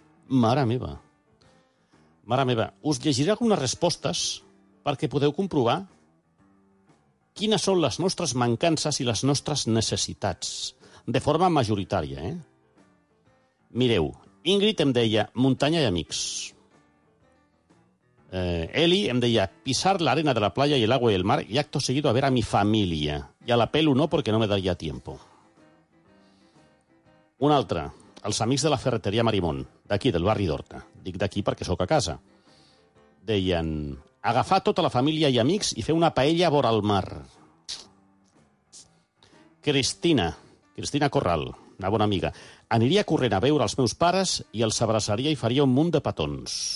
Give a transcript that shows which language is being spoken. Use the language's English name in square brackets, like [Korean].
[Catalan] Mare meva, us llegiré algunes respostes perquè podeu comprovar quines són les nostres mancances i les nostres necessitats, de forma majoritària, Mireu, Ingrid em deia muntanya i amics. [Spanish] Eli em deia pisar l'arena de la playa y el agua y el mar y acto seguido a ver a mi familia. Y a la pelu no, porque no me daría tiempo. [Catalan] Una altra, els amics de la ferreteria Marimón, d'aquí, del barri d'Horta. Dic d'aquí perquè sóc a casa. Deien agafar tota la família i amics i fer una paella vora el mar. Cristina Corral, una bona amiga. Aniria corrent a veure els meus pares i els abraçaria i faria un munt de petons.